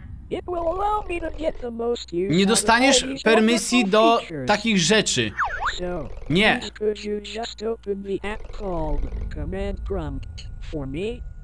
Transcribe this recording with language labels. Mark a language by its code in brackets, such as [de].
[en] It will allow me to get the most use. [pl] Nie dostaniesz permisji do takich rzeczy. [en] So, [pl] nie. [en] Could you just open the app called Command Prompt for me?